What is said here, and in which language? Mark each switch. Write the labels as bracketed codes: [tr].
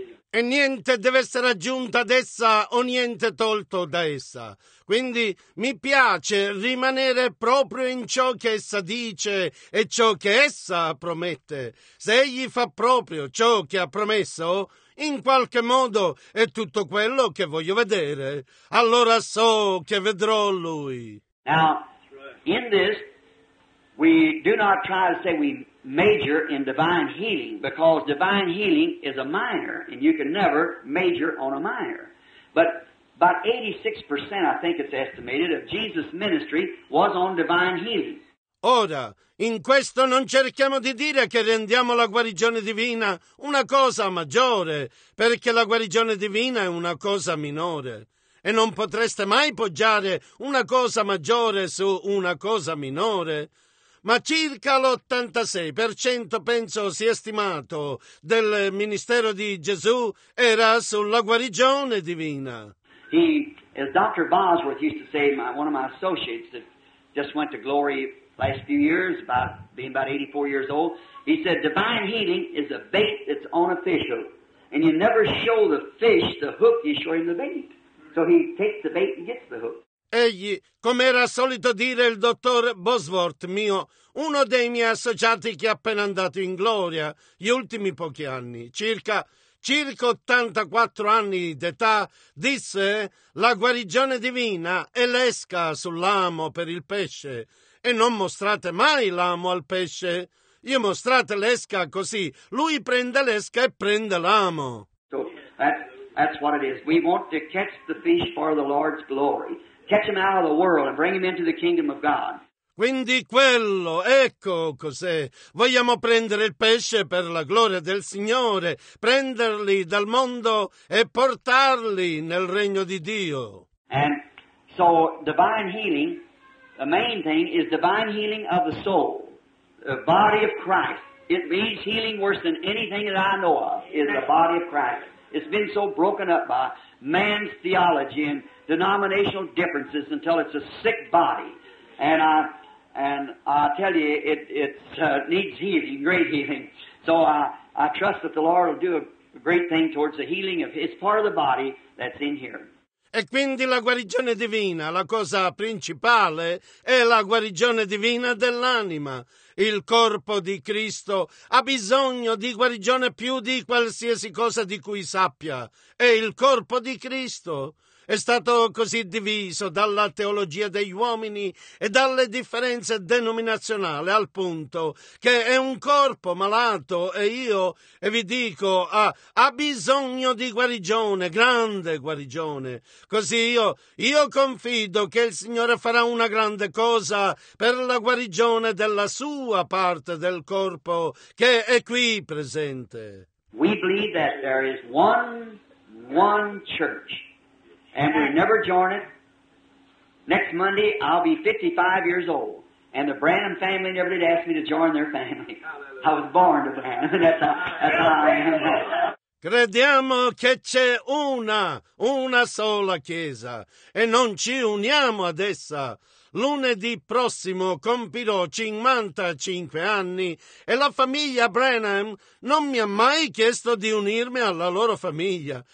[it] E niente deve essere aggiunto ad essa o niente tolto da essa. Quindi mi piace rimanere proprio in ciò che essa dice e ciò che essa promette. Se egli fa proprio ciò che ha promesso, in qualche modo è tutto quello che voglio vedere, allora so che vedrò lui. [en] Now, in this, we do not try to say we major in divine healing, because divine healing is a minor, and you can never major on a minor. But about 86%, I think it's estimated, of Jesus' ministry was on divine healing. [it] Ora, in questo non cerchiamo di dire che rendiamo la guarigione divina una cosa maggiore, perché la guarigione divina è una cosa minore. E non potreste mai poggiare una cosa maggiore su una cosa minore. Ma circa l'86%, penso, si è stimato, del ministero di Gesù era sulla guarigione divina. [en] He, as Dr. Bosworth used to say, one of my associates that just went to glory last few years, about being about 84 years old, he said, divine healing is a bait that's on a fish hook. And you never show the fish the hook, you show him the bait. So he takes the bait and gets the hook. [it] Egli, come era solito dire il dottor Bosworth mio, uno dei miei associati che è appena andato in gloria gli ultimi pochi anni, circa 84 anni d'età, disse: la guarigione divina è l'esca sull'amo per il pesce, e non mostrate mai l'amo al pesce, io mostrate l'esca così, lui prende l'esca e prende l'amo. [en] So, that's what it is. We want to catch the fish for the Lord's glory. Catch him out of the world and bring him into the kingdom of God. [it] Quindi quello, ecco cos'è. Vogliamo prendere il pesce per la gloria del Signore, prenderli dal mondo e portarli nel regno di Dio. [en] And so divine healing, the main thing is divine healing of the soul, the body of Christ. It means healing worse than anything that I know of is the body of Christ. It's been so broken up by man's theology and denominational differences until it's a sick body, and I tell you it needs healing, great healing. So I trust that the Lord will do a great thing towards the healing of his part of the body that's in here. [it] E quindi la guarigione divina, la cosa principale è la guarigione divina dell'anima. Il corpo di Cristo ha bisogno di guarigione più di qualsiasi cosa di cui sappia. È il corpo di Cristo. È stato così diviso dalla teologia degli uomini e dalle differenze denominazionali al punto che è un corpo malato e vi dico, ha bisogno di guarigione, grande guarigione. Così io confido che il Signore farà una grande cosa per la guarigione della sua parte del corpo che è qui presente. [en] We believe that there is one one church, and we never join it. Next Monday, I'll be 55 years old, and the Branham family never did ask me to join their family. I was born to Branham. That's how I am. [it] Crediamo che c'è una sola chiesa, e non ci uniamo ad essa. Lunedì prossimo compirò 55 anni e la famiglia Branham non mi ha mai chiesto di unirmi alla loro famiglia.